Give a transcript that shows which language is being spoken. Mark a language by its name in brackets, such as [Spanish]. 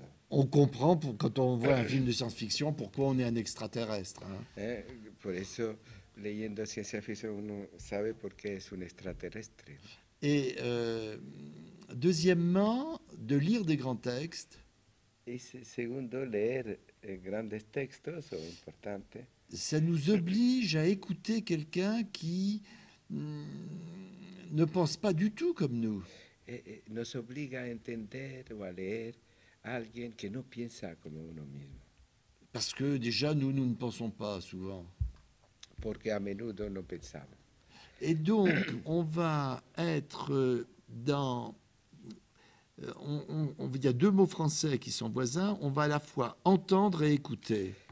[French] On comprend pour, quand on voit un film de science-fiction pourquoi on est un extraterrestre. Hein. [Spanish] Por eso. Leyendo ciencia ficción, uno sabe por qué es un extraterrestre. [French] Et deuxièmement, de lire des grands textes. [Spanish] Et segundo, leer grandes textos o importantes. [French] Ça nous oblige à écouter quelqu'un qui ne pense pas du tout comme nous. [Spanish] Nos obliga a entender o a leer a alguien que no piensa como uno mismo. [French] Parce que déjà, nous ne pensons pas souvent. [Spanish] Porque a menudo no pensamos. [French] Et donc, on va être dans... Il y a deux mots français qui sont voisins. On va à la fois entendre et écouter.